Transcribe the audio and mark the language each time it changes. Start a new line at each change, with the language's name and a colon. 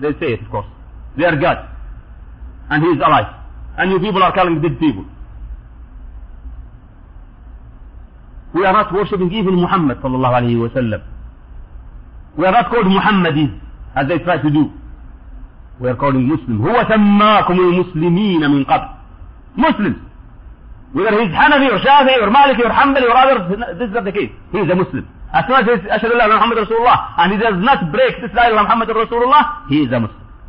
English: They say it, of course. They are God. And he is alive. And you people are calling dead people. We are not worshipping even Muhammad sallallahu alayhi wa sallam. We are not called Muhammadis, as they try to do. We are calling Muslim.
Arabic: هو سماكم المسلمين من قبل.
English: Muslims. Whether he's Hanafi or Shafi or Maliki or Hanbali or others, this is not the case. He is a Muslim. As soon as he says,
Arabic: Ashhadu an la ilaha Muhammad Rasulullah,
English: and he does not break this la ilaha Muhammad Rasulullah, he is a Muslim.